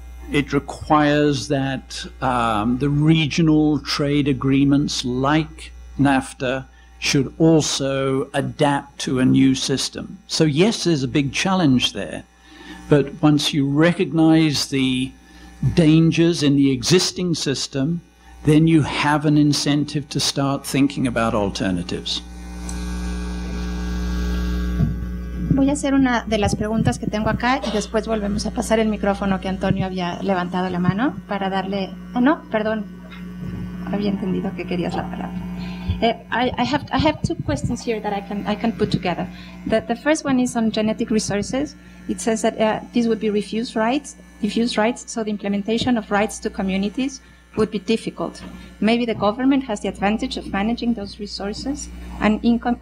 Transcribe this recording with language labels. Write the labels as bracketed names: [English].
[English] It requires that the regional trade agreements like NAFTA should also adapt to a new system. So yes, there's a big challenge there, but once you recognize the dangers in the existing system, then you have an incentive to start thinking about alternatives. [Spanish] Voy a hacer una de las preguntas que tengo acá y después volvemos a pasar el micrófono que Antonio había levantado la mano para darle... Ah, no, perdón. Había entendido que querías la palabra. [English] I have two questions here that I can put together. The first one is on genetic resources. It says that this would be diffuse rights, so the implementation of rights to communities would be difficult. Maybe the government has the advantage of managing those resources and income.